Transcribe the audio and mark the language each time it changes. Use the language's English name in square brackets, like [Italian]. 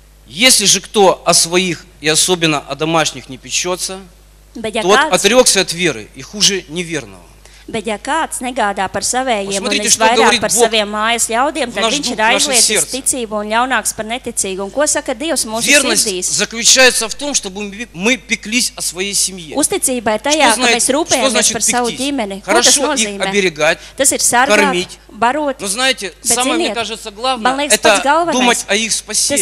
[Russian] Если же кто о своих и особенно о домашних не печется, тот отрекся от веры и хуже неверного. [Latvian] Bet ja kāds negādā par savējiem un es vairāk par saviem mājas ļaudiem, tad viņš ir aizliedzis ticību un ļaunāks par neticīgu. Un ko saka Dievs mūsu sirdīs? [Russian] Заключается в том, чтобы мы пеклись о своей семье. [Latvian] Uzticība ir тая, ka mēs rūpējamies par savu ģimeni. [Russian] Хорошо их оберегать. [Latvian] Tas ir sargāt, barot. [Russian] Но знаете, самое, мне кажется, главное это думать о их спасении.